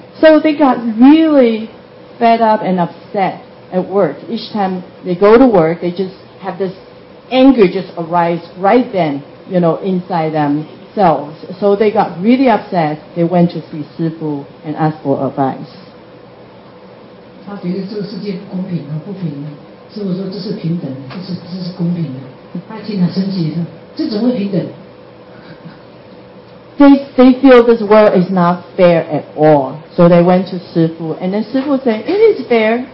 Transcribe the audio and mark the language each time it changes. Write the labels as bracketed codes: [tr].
[en] So they got really fed up and upset at work. Each time they go to work, they just have this anger just arise right then, you know, inside themselves. So they got really upset. They went to see Sifu and asked for advice. [zh] 他觉得这个世界不公平啊，不平啊。师父说这是平等，这是公平的。他经常生气说，这怎么会平等？ [en] They feel this world is not fair at all. So they went to Sifu, and then Sifu said, it is fair.